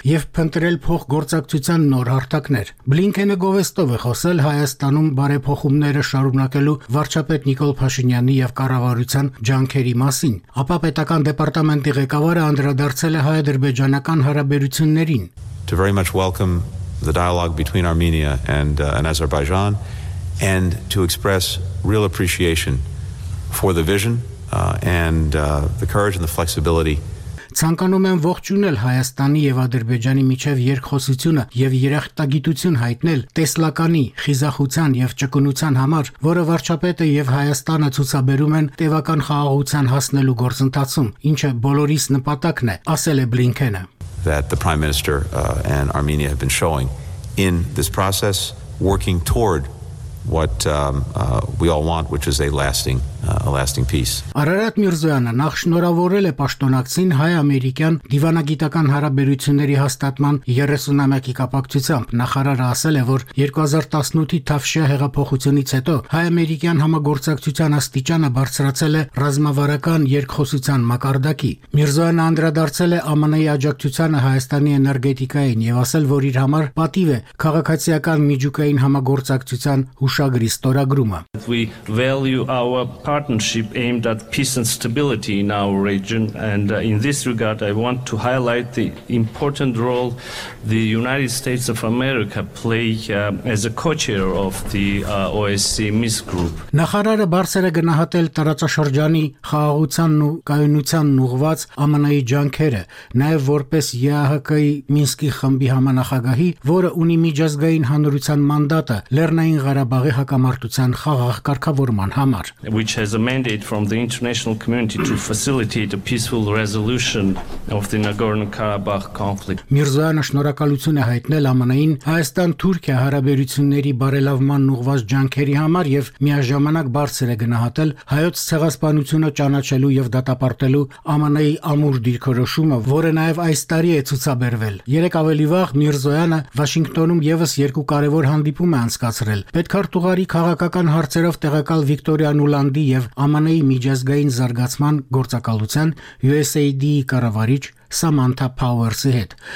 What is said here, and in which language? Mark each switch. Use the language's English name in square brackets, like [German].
[Armenian] եւ փնտրել փոխգործակցության նոր հարթակներ։ Բլինքենը գովեստով է խոսել Հայաստանում բարեփոխումները շարունակելու վարչապետ Նիկոլ Փաշինյանի եւ կառավարության ջանքերի մասին։ Ապա պետական դեպարտամենտի ղեկավարը անդրադարձել է հայ-ադրբեջանական հարաբերություններին։ [English] To very much welcome the dialogue between Armenia and Azerbaijan and to express real appreciation for the vision the courage and the flexibility. [Armenian] Ցանկանում եմ ողջունել Հայաստանի եւ Ադրբեջանի միջև երկխոսությունը եւ երախտագիտություն հայտնել տեսլականի, խիզախության եւ ճկունության համար, որը վարչապետը եւ Հայաստանը ցուցաբերում են տևական խաղաղության հասնելու գործընթացում, ինչը բոլորիս նպատակն է, ասել է Բլինքենը. [English] That the Prime Minister and Armenia have been showing in this process working toward what we all want, which is a lasting peace. [Armenian] Արարատ Միրզոյանը նախ շնորհավորել է պաշտոնակցին հայ-ամերիկյան դիվանագիտական հարաբերությունների հաստատման 30-ամյակի կապակցությամբ։ Նախարարը ասել է, որ 2018-ի Թավշյա հեղափոխությունից հետո հայ-ամերիկյան համագործակցության աստիճանը բարձրացել է ռազմավարական երկխոսության մակարդակի։ Միրզոյանը անդրադարձել է ԱՄՆ-ի աջակցությանը Հայաստանի էներգետիկային եւ ասել, որ իր համար պատիվ է քաղաքացիական միջուկային համագործակցության հուշագրի ստորագրումը։ [English] Our partnership aimed at peace and stability in our region, and in this regard I want to highlight the important role the United States of America play as a co-chair of the OSCE Minsk group. [Armenian] Նախարարը բարձր է գնահատել տարածաշրջանի խաղաղությանն ու կայունությանն ուղված ԱՄՆ-ի ջանքերը, նաև որպես ԵԱՀԿ-ի Մինսկի խմբի համանախագահի, որը ունի միջազգային հանրության մանդատը Լեռնային Ղարաբաղի հակամարտության խաղաղ կարգավորման համար. [English] Which has a mandate from the international community to facilitate a peaceful resolution of the Nagorno-Karabakh conflict. [Armenian] Միրզոյանը շնորհակալություն է հայտնել ԱՄՆ-ին Հայաստան-Թուրքիա հարաբերությունների բարելավման ուղված ջանքերի համար եւ միաժամանակ բարձր է գնահատել հայոց ցեղասպանությունը ճանաչելու եւ դատապարտելու ԱՄՆ-ի ամուր դիրքորոշումը, որը նաեւ այս տարի է ցուցաբերվել։ Երեկ ավելի վաղ Միրզոյանը Վաշինգտոնում եւս երկու կարեվոր հանդիպում է անցկացրել։ Պետքարտուղարի քաղաքական հարցերով տեղակալ Վիկտորիա Նուլանդի եւ ԱՄՆ-ի միջազգային զարգացման գործակալության USAID-ի կառավարիչ Սամանթա Փաուերսի հետ։